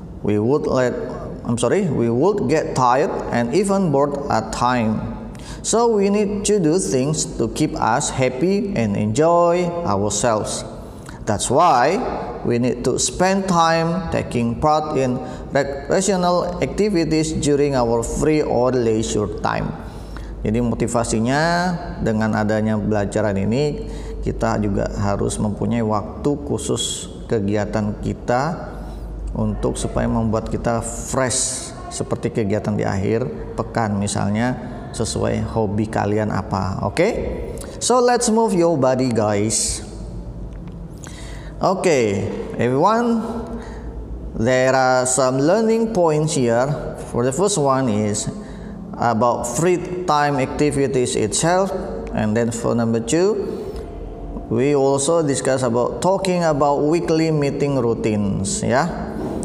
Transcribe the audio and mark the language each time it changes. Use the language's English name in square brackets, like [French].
[English] We would get tired and even bored at time. So we need to do things to keep us happy and enjoy ourselves. That's why we need to spend time taking part in recreational activities during our free or leisure time. [Indonesian] Jadi motivasinya dengan adanya belajaran ini, kita juga harus mempunyai waktu khusus kegiatan kita untuk supaya membuat kita fresh seperti kegiatan di akhir pekan misalnya sesuai hobi kalian apa. [English] Oke? So let's move your body, guys. Okay, everyone, there are some learning points here. For the first one is, about free time activities itself. And then for number two, we also discuss about talking about weekly meeting routines, yeah.